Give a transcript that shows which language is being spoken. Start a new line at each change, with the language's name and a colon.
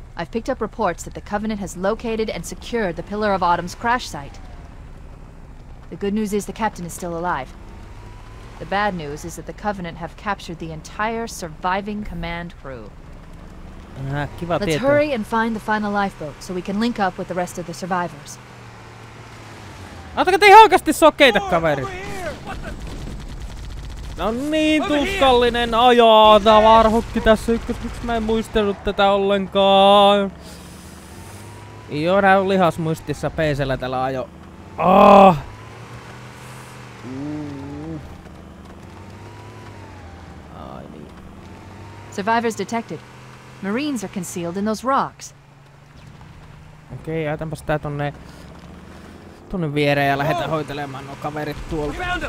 English: I've picked up reports that the Covenant has located and secured the Pillar of Autumn's crash site. The good news is the captain is still alive. The bad news is that the Covenant have captured the entire surviving command crew. Let's hurry and find the final lifeboat so we can link up with the rest of the survivors.
Finnish: Ootteko te ihan oikeasti sokeita, kaverit? No niin tuskallinen ajaa tää varhukki tässä ykkös. Miks mä en muistellut tätä ollenkaan? Joo, nää on lihasmuistissa PC:llä tällä ajo. Ah! Ai niin.
English: Survivors detected. Marines are concealed in those rocks.
Finnish: Okei, jätänpäs tää tonne viereen ja lähetä hoitelemaan nuo kaverit tuolta.